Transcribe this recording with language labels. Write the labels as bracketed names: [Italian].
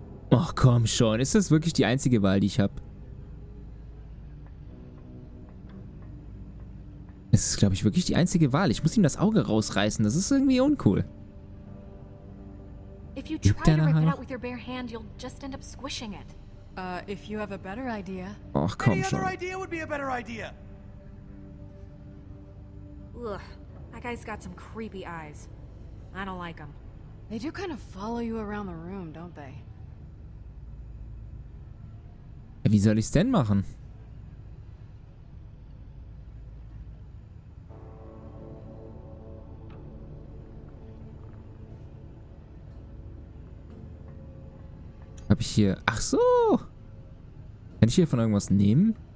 [German] Ach komm schon, ist das wirklich die einzige Wahl, die ich habe? Es ist, glaube ich, wirklich die einzige Wahl. Ich muss ihm das Auge rausreißen, das ist irgendwie uncool. [English] If you try to rip it out with your bare hand, you'll just end up squishing it. If you have a better idea. [German] Ach, komm schon. [English] Any other idea would be a better idea. Ugh, that guy's got some creepy eyes. I don't like them. They do kind of follow you around the room, don't they? [German] Wie soll ich's denn machen? Hab ich hier... Ach so! Kann ich hier von irgendwas nehmen?